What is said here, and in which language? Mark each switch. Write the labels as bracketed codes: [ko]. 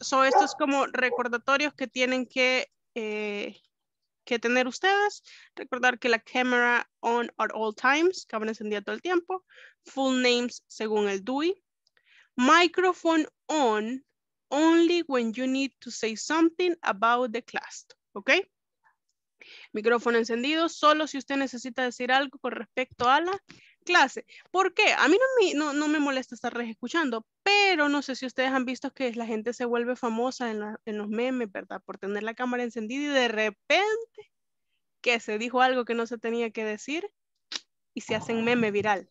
[es] So, esto es como recordatorios que tienen que tener ustedes. Recordar que la [en] camera on at all times, [es] cámara encendida todo el tiempo. [en] Full names [es] según el DUI. [en] Microphone on only when you need to say something about the class. Ok. [es] Micrófono encendido solo si usted necesita decir algo con respecto a la clase. ¿Por qué? A mí no me molesta estar escuchando, pero no sé si ustedes han visto que la gente se vuelve famosa en los memes, ¿verdad? Por tener la cámara encendida y de repente que se dijo algo que no se tenía que decir y se hacen meme viral.